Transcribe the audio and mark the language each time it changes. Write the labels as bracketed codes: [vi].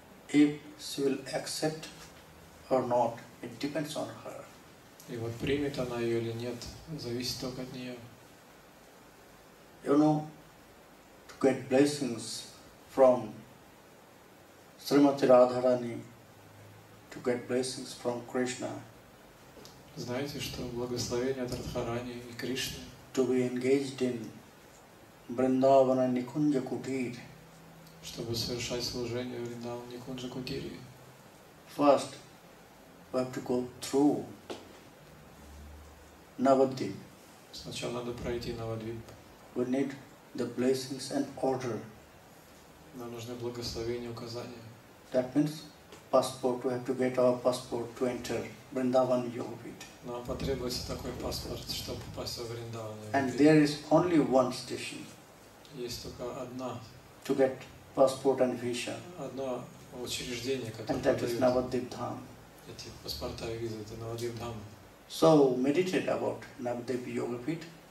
[en] If she will accept or not, it depends on her. [ru] И вот примет она ее или нет, зависит только от нее. [en] You know, to get blessings from Srimati Radharani, to get blessings from Krishna. [ru] Знаете, что благословение от Радхарани и Кришны. [en] To be engaged in Бриндавана Никунджа Кутир. [ru] Чтобы совершать служение в Бриндавана Никунджа Кутири. [en] First, we have to go through Навадвип. [ru] Сначала надо пройти Навадвип. [en] We need the blessings and order. [ru] Нам нужны благословения и указания. [en] That means passport, we have to get our passport to enter Vrindavan Yogapit. [ru] Нам потребуется такой паспорт, чтобы попасть в Вриндаван. [en] And there is only one station. [ru] Есть только одна. [en] To get passport and visa. [ru] Одно учреждение, которое [en] And that is Navadvip Dham. [ru] Эти паспорта и визы, это Navadvip Dham. [en] So meditate about Navadvip Yogapit.